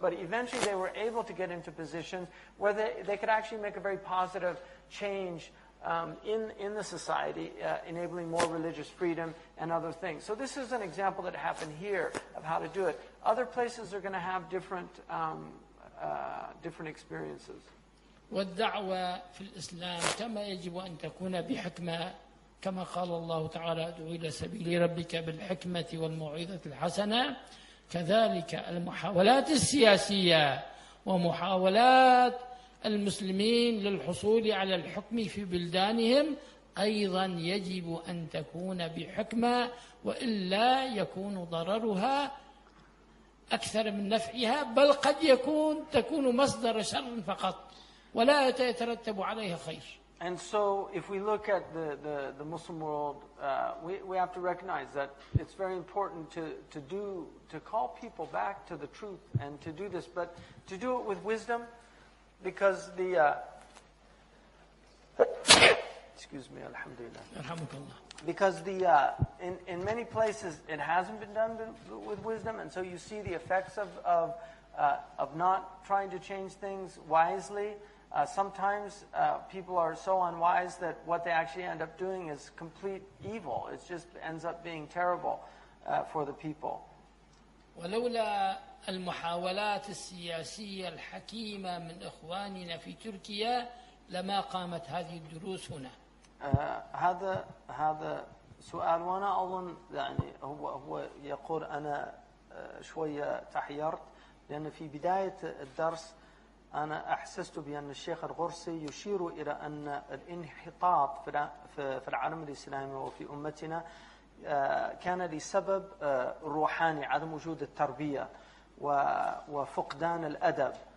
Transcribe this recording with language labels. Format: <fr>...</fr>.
<en>But eventually they were able to get into positions where they could actually make a very positive change in the society, enabling more religious freedom and other things. So this is an example that happened here of how to do it. Other places are going to have different experiences.</en> <ar>والدعوة في الإسلام كما يجب أن تكون بحكمة كما قال الله تعالى ادعو إلى سبيل ربك بالحكمة والموعظة الحسنة كذلك المحاولات السياسية ومحاولات المسلمين للحصول على الحكم في بلدانهم أيضا يجب أن تكون بحكمة وإلا يكون ضررها أكثر من نفعها بل قد تكون مصدر شر فقط ولا يترتب عليها خير.</ar> <en>And so, if we look at the Muslim world, we have to recognize that it's very important to call people back to the truth and to do this, but to do it with wisdom, because the excuse me, alhamdulillah. Alhamdulillah. Because the in many places it hasn't been done with wisdom, and so you see the effects of not trying to change things wisely. Sometimes people are so unwise that what they actually end up doing is complete evil. It just ends up being terrible for the people.</en> <ar>ولولا المحاولات السياسية الحكيمة من إخواننا في تركيا لما قامت هذه الدروس هنا. هذا سؤال وانا اظن يعني هو يقول انا شويه تحيرت لان في بدايه الدرس انا احسست بان الشيخ الغرسي يشير الى ان الانحطاط في العالم الاسلامي وفي امتنا كان لسبب روحاني عدم وجود التربيه وفقدان الادب</ar>